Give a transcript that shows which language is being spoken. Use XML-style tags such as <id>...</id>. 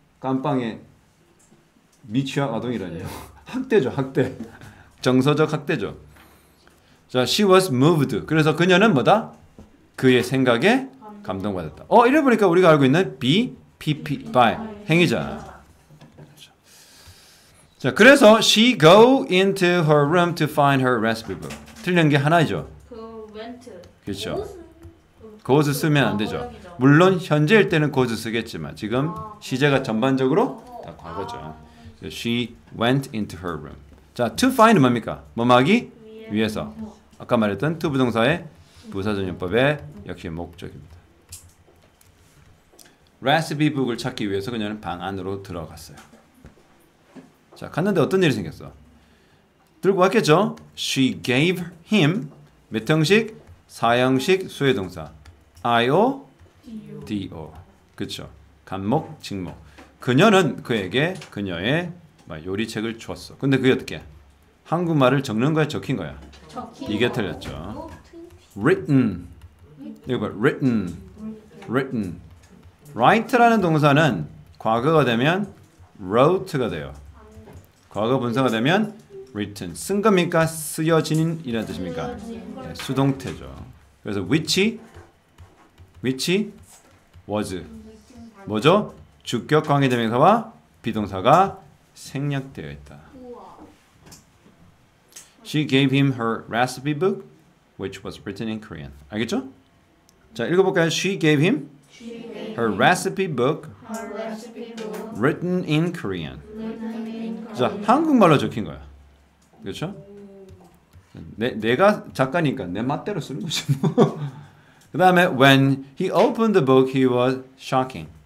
<ko>감방에 미취학 아동이라니요. 학대죠, 학대. 정서적 학대죠. 자,</ko> <en>she was moved.</en> <ko>그래서 그녀는 뭐다? 그의 생각에 감동받았다. 어, 이래 보니까 우리가 알고 있는 be, pp, by 행위자. 자, 그래서</ko> <en>she go into her room to find her recipe book.</en> <ko>틀린 게 하나죠. 그 went. 그렇죠. 것을 쓰면 안 되죠. 물론 현재일 때는 것을 쓰겠지만 지금 시제가 전반적으로 다 과거죠.</ko> <en>She went into her room. 자, to find</en> <ko>뭡니까? 뭐하기? 위에서. 아까 말했던 to 부동사의 부사전용법의 역시 목적입니다. Recipe book을 찾기 위해서 그녀는 방 안으로 들어갔어요. 자, 갔는데 어떤 일이 생겼어? 들고 왔겠죠?</ko> <en>She gave him</en> <ko>몇 형식? 4형식 수혜동사 I-O</ko> <en>D-O</en> <ko>그쵸? 간목, 직목 그녀는 그에게 그녀의 요리책을 주었어. 근데 그게 어떻게? 한국말을 적는 거야? 적힌 거야? 적힌 이게 틀렸죠. Written 이거 봐. Written Written Write라는 동사는 과거가 되면 wrote가 돼요. 과거 분사가 되면 written 쓴 겁니까? 쓰여진 이란 뜻입니까? 네, 수동태죠. 그래서 which was 뭐죠? 주격 관계대명사와 비동사가 생략되어 있다.</ko> <en>She gave him her recipe book which was written in Korean.</en> <ko>알겠죠? 자, 읽어볼까요?</ko> <en>She gave him her recipe book written in Korean.</en> <ko>자, 한국말로 적힌 거야. 그렇죠? 내가 작가니까 내 맛대로 쓰는 거지 뭐. 그 다음에</ko> <en>when he opened the book he was shocking.</en>